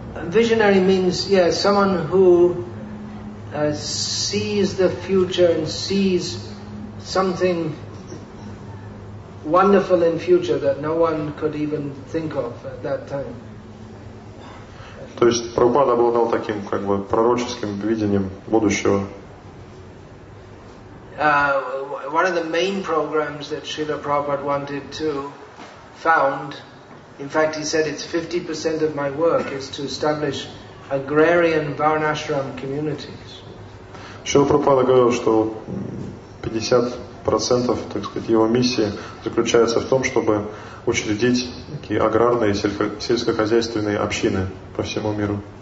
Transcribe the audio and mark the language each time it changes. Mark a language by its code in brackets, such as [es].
[en] visionary means, yeah, someone who sees the future and sees something wonderful in future that no one could even think of at that time. [ru] То есть Прабхупада обладал таким как бы пророческим видением будущего. [en] One of the main programs that Srila Prabhupada wanted to found, in fact he said it's 50% of my work is to establish agrarian varnashram communities. [ru] Srila Prabhupada говорил, что 50%, так сказать, его миссии заключается в том, чтобы учредить такие аграрные сельскохозяйственные общины по всему миру.